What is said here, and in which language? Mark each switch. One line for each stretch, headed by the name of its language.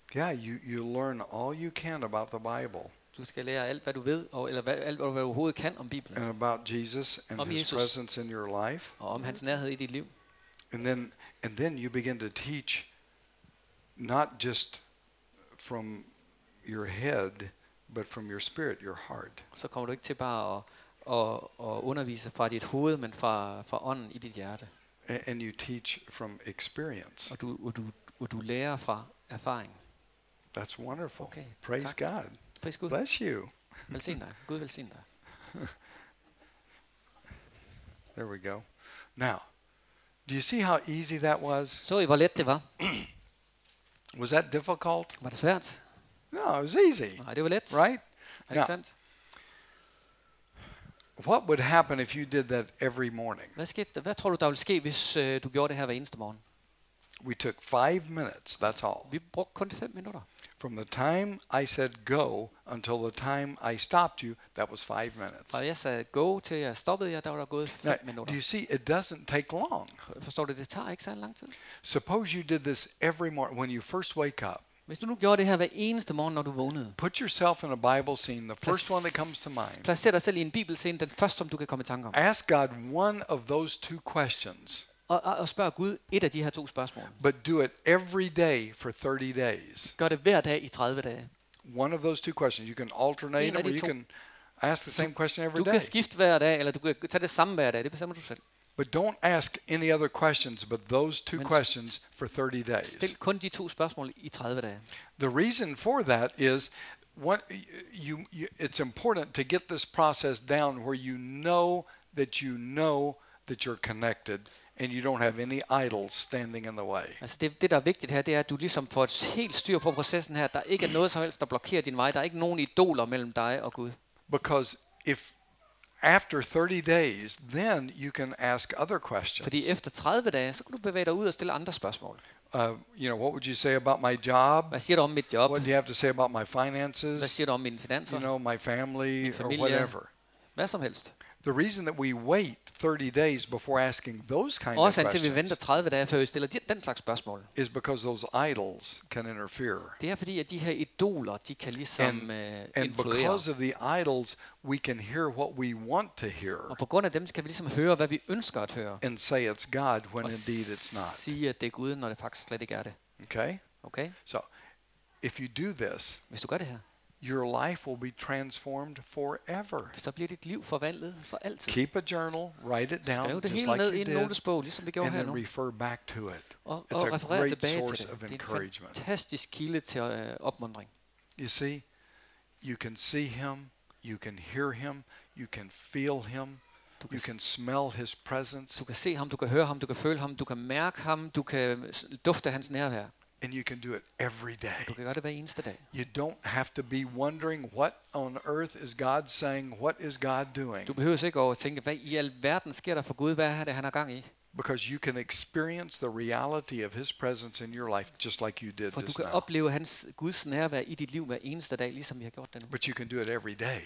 English: Yeah, you learn all you can about the Bible.
Danish: Du skal lære alt hvad du ved og eller alt hvad du overhovedet kan om Bibelen.
English: And about Jesus and
Danish: om
English: his Jesus. Presence in your life.
Danish: Og om hans nærhed i dit liv.
English: And then you begin to teach not just from your head but from your spirit, your heart.
Danish: Så kommer du ikke til bare at undervise fra dit hoved, men fra ånden i dit hjerte.
English: And you teach from experience.
Danish: Og du lærer fra erfaring.
English: That's wonderful. Okay, praise
Danish: tak.
English: God. Praise God. Bless you.
Danish: Velsign dig. Gud velsign dig.
English: There we go. Now, do you see how easy that was?
Danish: Så I, hvor let det var?
English: Was that difficult?
Danish: Var det svært?
English: No, it was easy.
Danish: Nej, det var let.
English: Right?
Danish: Now, sandt?
English: What would happen if you did that every morning?
Danish: Hvad tror du, der ville ske, hvis du gjorde det her hver eneste morgen?
English: We took 5 minutes, that's all.
Danish: Vi brugte kun 5 minutter.
English: From the time I said go until the time I stopped you, that was 5 minutes.
Danish: Fra jeg sagde go til jeg stoppede jer, der var der gået 5 minutter.
English: Do you see, it doesn't take long.
Danish: Forstår du, det tager ikke så lang tid.
English: Suppose you did this every morning when you first wake up.
Danish: Hvis du nu gjorde det her hver eneste morgen, når du vågnede.
English: Put yourself in a Bible scene, the first one that comes to mind.
Danish: Placer dig selv i en bibelscene, den første, som du kan komme i tanke om.
English: Ask God one of those two questions.
Danish: Og spørg Gud et af de her to spørgsmål.
English: But do it every day for 30 days.
Danish: Gør det hver dag i 30 dage.
English: One of those two questions. You can alternate them, or you can ask the same question every day.
Danish: Du kan skifte hver dag, eller du kan tage det samme hver dag. Det bestemmer du selv.
English: But don't ask any other questions but those two questions for 30 days.
Danish: Stil kun de to spørgsmål i 30 dage.
English: The reason for that is what you it's important to get this process down where you know that you're connected. And you don't have any idols standing in the way.
Danish: Altså det der er vigtigt her, det er at du ligesom får et helt styr på processen her. Der ikke er noget som helst der blokerer din vej. Der er ikke nogen idoler mellem dig og Gud.
English: Because if after 30 days, then you can ask other questions.
Danish: Fordi efter 30 dage, så kan du bevæge dig ud og stille andre spørgsmål.
English: You know, what would you say about my job?
Danish: Hvad siger du om mit job?
English: What do you have to say about my finances?
Danish: Hvad siger du om mine finanser?
English: You know, my family,
Danish: min familie,
English: or whatever.
Danish: Hvad som helst.
English: The reason that we wait 30 days before asking those kind
Danish: også
English: of questions.
Danish: Og så vi venter 30 dage før vi stiller den slags spørgsmål.
English: Is because those idols can interfere.
Danish: Det er fordi at de her idoler, de kan ligesom influere.
English: And because of the idols, we can hear what we want to hear.
Danish: Og på grund af dem kan vi ligesom høre hvad vi ønsker at høre.
English: And say it's God when indeed it's not.
Danish: Sige at det er Gud når det faktisk slet ikke er det.
English: Okay? Okay. So if you do this.
Danish: Hvis du gør det her.
English: Your life will be transformed forever.
Danish: Så bliver dit liv forvandlet for altid.
English: Keep a journal, write it down,
Danish: skriv det
English: just
Danish: hele ned
English: like
Danish: i en notesbog, ligesom vi gjorde her
English: nu. Refer back to it.
Danish: Og referer tilbage til det. Det er en fantastisk kilde til opmuntring.
English: You see, you can see him, you can hear him, you can feel him, you can smell his presence.
Danish: Du kan se ham, du kan høre ham, du kan føle ham, du kan mærke ham, du kan dufte hans nærvær.
English: And you can do it every day.
Danish: Du kan gøre det hver eneste dag.
English: You don't have to be wondering what on earth is God saying, what is God doing.
Danish: Du behøver ikke at tænke, hvad i alverden sker der for Gud, hvad er det han har gang i?
English: Because you can experience the reality of his presence in your life just like you did for this
Danish: du kan
English: now.
Danish: Opleve hans Guds nærvær i dit liv hver eneste dag, ligesom vi har gjort det nu.
English: But you can do it every day.